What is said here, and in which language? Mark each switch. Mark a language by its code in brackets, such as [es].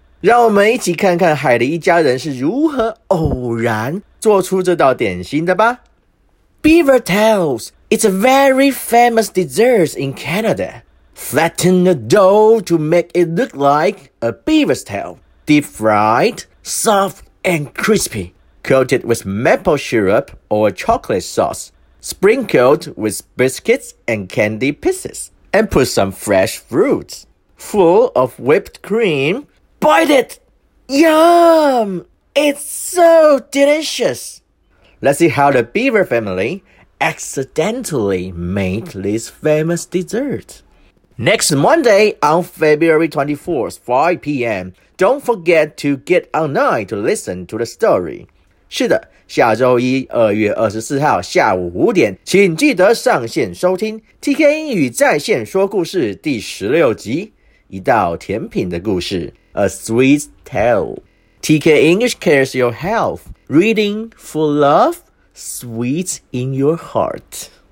[zh] 让我们一起看看海狸一家人是如何偶然做出这道点心的吧。 [en] Beaver tails, it's a very famous dessert in Canada. Flatten the dough to make it look like a beaver's tail. Deep fried, soft and crispy. Coated with maple syrup or chocolate sauce. Sprinkled with biscuits and candy pieces. And put some fresh fruits. Full of whipped cream. Bite it! Yum! It's so delicious! Let's see how the Beaver family accidentally made this famous dessert. Next Monday on February 24th, 5 p.m., don't forget to get online to listen to the story. [zh] 是的，下周一2月24号下午5点，请记得上线收听 TK 英语在线说故事第16集。一道甜品的故事 [en] A sweet tale. TK English cares your health. Reading for love, sweet in your heart.